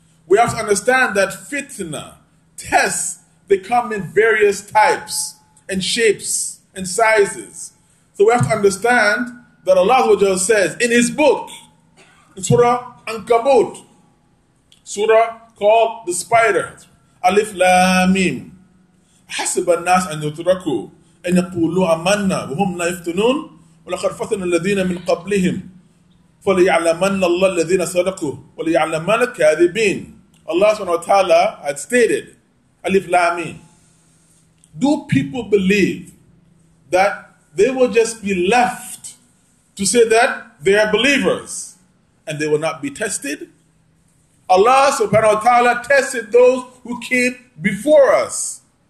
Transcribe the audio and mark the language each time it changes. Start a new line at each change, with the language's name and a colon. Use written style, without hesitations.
English: We have to understand that fitna, tests, they come in various types and shapes and sizes. So we have to understand that Allah says in His book, in Surah Ankabut, Surah called the spider, Alif Lam Mim.
Arabic: حسب الناس أن يتركوا أن يقولوا أمنا وهم لا يفتنون ولقد فتن الذين من قبلهم فليعلمن الله الذين صدقوا وليعلمن الكاذبين.
English: Allah subhanahu wa ta'ala had stated, Alif Lam Mim. Do people believe that they will just be left to say that they are believers and they will not be tested? Allah subhanahu wa ta'ala tested those who came before us.